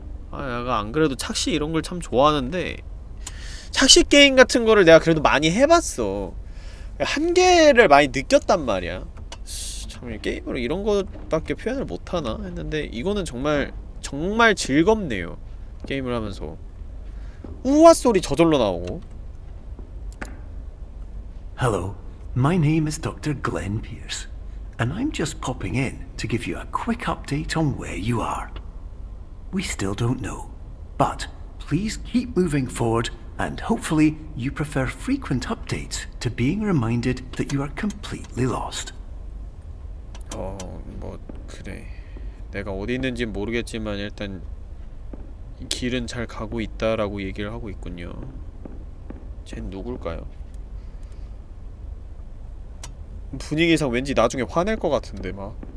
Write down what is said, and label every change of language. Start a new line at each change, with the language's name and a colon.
Korean: 아 내가 안 그래도 착시 이런 걸 참 좋아하는데 착시 게임 같은 거를 내가 그래도 많이 해봤어. 한계를 많이 느꼈단 말이야. 참 게임으로 이런 것밖에 표현을 못하나 했는데 이거는 정말 정말 즐겁네요. 게임을 하면서 우와 소리 저절로 나오고.
English: Hello. My name is Dr. Glenn Pierce, and I'm just popping in to give you a quick update on where you are. We still don't know, but please keep moving forward and hopefully you prefer frequent updates to being reminded that you are completely lost.
Korean: 뭐 그래. 내가 어디 있는지 모르겠지만 일단 길은 잘 가고 있다라고 얘기를 하고 있군요. 쟨 누굴까요? 분위기상 왠지 나중에 화낼 것 같은데 막.